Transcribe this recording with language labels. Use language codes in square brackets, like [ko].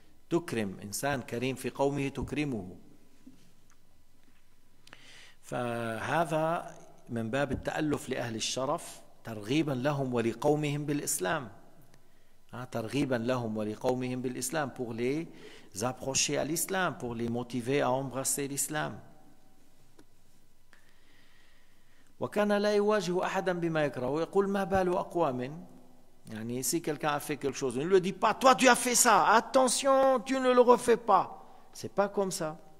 [ar] تكرم إنسان كريم في قومه تكرمه. فهذا من باب التألف لأهل الشرف ترغيبا لهم ولقومهم بالإسلام. ترغيبا لهم ولقومهم بالإسلام [fr] pour les approcher à l'islam, pour les motiver à embrasser l'islam. [ar] وكان لا يواجه أحدا بما يكره ويقول ما بال أقوام. [fr] Yani, si quelqu'un a fait quelque chose, ne le dis pas, toi tu as fait ça, attention, tu ne le refais pas. Ce n'est pas comme ça.